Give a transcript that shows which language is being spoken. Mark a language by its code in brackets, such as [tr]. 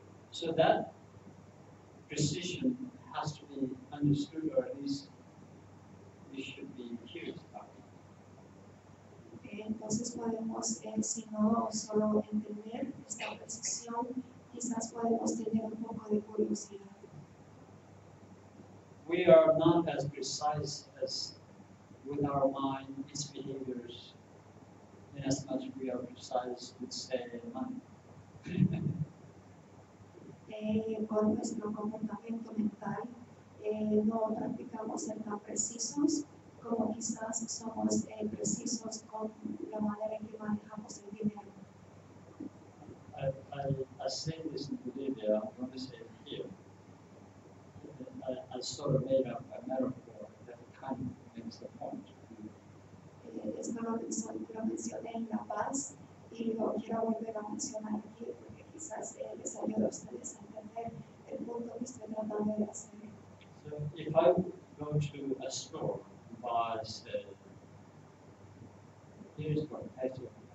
[en] So that precision has to be understood, or at least we should be curious about. [es] entonces podemos, si no solo entender esta percepción, quizás podemos tener un poco de curiosidad. [en] We are not as precise as with our mind, misbehaviors, and as much as we are precise with, say, money. [es] Con nuestro comportamiento mental, no practicamos ser tan precisos como quizás somos precisos con la manera en que manejamos el dinero. [en] I said this in Bolivia, I'm going to say it here. I sort of made up a metaphor that kind of makes the point. [es] Estaba pensando, lo mencioné en La Paz y lo quiero volver a mencionar aquí porque quizás les ayude a ustedes a entender el punto que estoy tratando de hacer. [en] So, if I go to a store and buy, say, here's what I do.